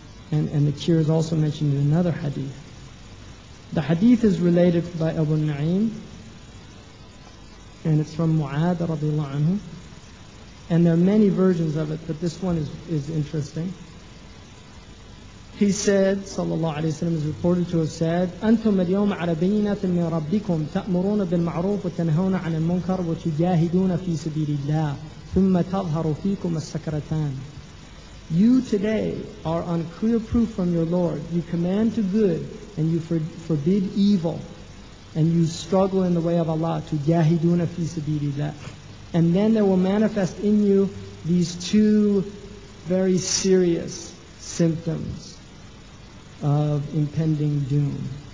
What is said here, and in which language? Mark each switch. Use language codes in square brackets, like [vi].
[en] And the cure is also mentioned in another hadith. The hadith is related by Abu Na'im, and it's from Mu'ad radiallahu anhu. And there are many versions of it, but this one is interesting. He said, sallallahu alayhi wa sallam, is reported to have said, [ar] أنتم اليوم على بينة من ربكم تأمرون بالمعروف وتنهون عن المنكر وتجاهدون في سبيل الله ثم تظهر فيكم السكرتان. [en] You today are on clear proof from your Lord. You command to good and you forbid evil. And you struggle in the way of Allah. [ar] تجاهدون في سبيل الله. [en] And then there will manifest in you these two very serious symptoms of impending doom.